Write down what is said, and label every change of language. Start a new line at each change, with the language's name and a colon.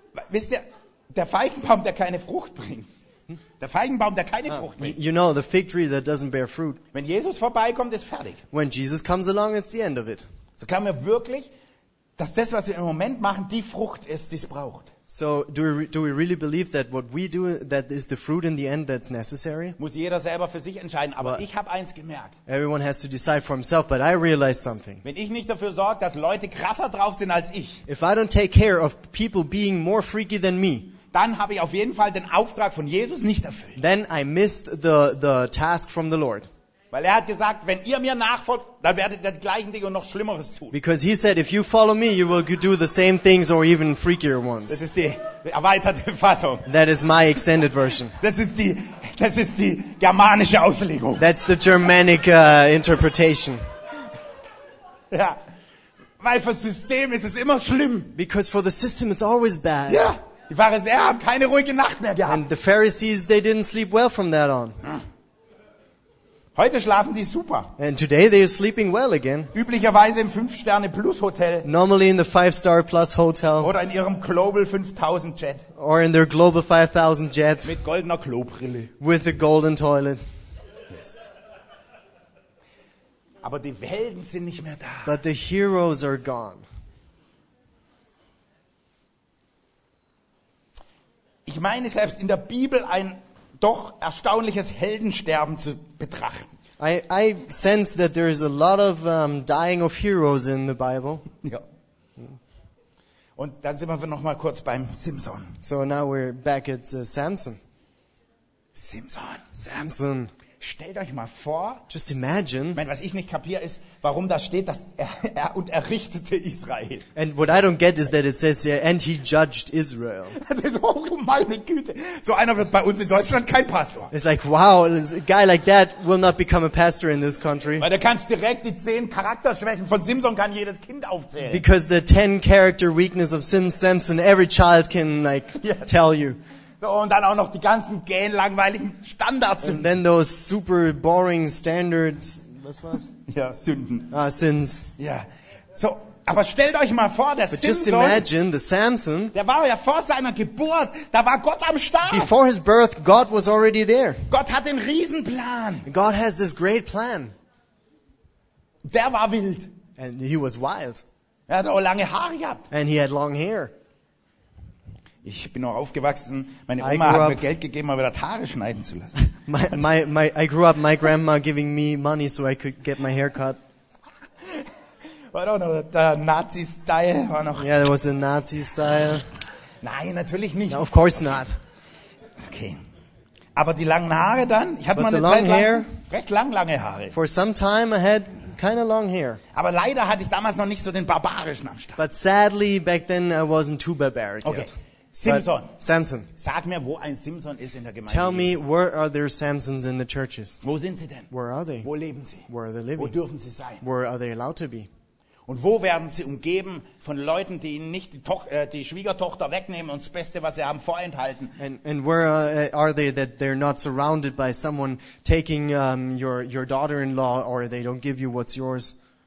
German: Wisst ihr, der Feigenbaum, der keine Frucht bringt. Der Feigenbaum, der keine Frucht bringt.
English: You know, the fig tree that doesn't bear fruit.
German: Wenn Jesus vorbeikommt, ist fertig.
English: When Jesus comes along, it's the end of it.
German: So glauben wir wirklich, dass das, was wir im Moment machen, die Frucht ist, die es braucht.
English: So do we really believe that what we do that is the fruit in the end that's necessary?
German: Muss jeder selber für sich entscheiden, aber ich habe eins gemerkt.
English: Everyone has to decide for himself, but I realized something.
German: Wenn ich nicht dafür sorge, dass Leute krasser drauf sind als ich.
English: If I don't take care of people being more freaky than me.
German: Dann habe ich auf jeden Fall den Auftrag von Jesus nicht erfüllt.
English: Then I missed the task from the Lord.
German: Weil er hat gesagt, wenn ihr mir nachfolgt, dann werdet ihr das gleiche Ding und noch Schlimmeres tun.
English: Because he said, if you follow me, you will do the same things or even freakier ones.
German: Das ist die erweiterte Fassung.
English: That is my extended version.
German: Das ist die germanische Auslegung.
English: That's the Germanic interpretation.
German: Ja, weil fürs System ist es immer schlimm.
English: Because for the system it's always bad.
German: Ja, die Pharisäer haben keine ruhige Nacht mehr gehabt.
English: And the Pharisees, they didn't sleep well from that on.
German: Heute schlafen die super.
English: And today they are sleeping well again.
German: Üblicherweise im 5-Sterne-Plus-Hotel.
English: Normally in the 5-Star-Plus-Hotel.
German: Oder in ihrem Global 5000 Jet.
English: Or in their Global 5000 Jet.
German: Mit goldener Klobrille.
English: With the golden toilet. Yes.
German: Aber die Helden sind nicht mehr da.
English: But the heroes are gone.
German: Ich meine selbst in der Bibel ein doch erstaunliches Heldensterben zu betrachten.
English: I sense that there is a lot of dying of heroes in the Bible.
German: Ja. Und dann sind wir noch mal kurz beim Simson.
English: So now we're back at Samson.
German: Samson. Stellt euch mal vor.
English: Just imagine.
German: Ich meine, was ich nicht kapiere ist, warum da steht, dass er und errichtete Israel.
English: And what I don't get is that it says yeah, and he judged Israel.
German: Das ist oh meine Güte. So einer wird bei uns in Deutschland kein Pastor.
English: It's like wow, a guy like that will not become a pastor in this country.
German: Weil da kannst direkt die 10 Charakterschwächen von Simson kann jedes Kind aufzählen.
English: Because the 10 character weakness of Samson every child can like yes. Tell you.
German: So, und dann auch noch die ganzen gähn langweiligen Standards.
English: And then those super boring standard,
German: was war's? Ja, Sünden.
English: Ah, Sins.
German: Ja. So, aber stellt euch mal vor, der
English: Simson. Just imagine the Samson.
German: Der war ja vor seiner Geburt, da war Gott am Start.
English: Before his birth, God was already there.
German: Gott hat den Riesenplan.
English: God has this great plan.
German: Der war wild.
English: And he was wild.
German: Er hat auch lange Haare gehabt.
English: And he had long hair.
German: Ich bin auch aufgewachsen. Meine Oma hat mir Geld gegeben, mal wieder Haare schneiden zu lassen.
English: I grew up, my grandma giving me money so I could get my hair cut. I don't know, the Nazi style
German: war noch.
English: Yeah, there was a Nazi style.
German: Nein, natürlich nicht.
English: No, of course not.
German: Okay. Aber die langen Haare dann? Ich hatte mal eine Zeit lang
English: hair,
German: recht lang lange Haare.
English: For some time I had kind of long hair.
German: Aber leider hatte ich damals noch nicht so den barbarischen am Start.
English: But sadly back then I wasn't too barbaric okay. Yet.
German: Simson.
English: But Samson.
German: Sag mir, wo ein Simson ist in der Gemeinde.
English: Tell me, where are there Samsons in the churches?
German: Wo sind sie denn?
English: Where are they?
German: Wo leben sie?
English: Where are they living?
German: Wo dürfen sie sein?
English: Where are they allowed to be?
German: Und wo werden sie umgeben von Leuten, die ihnen nicht die Schwiegertochter wegnehmen und das Beste, was sie haben, vorenthalten?
English: And where are they that they're not surrounded by someone taking your daughter-in-law or they don't give you what's yours?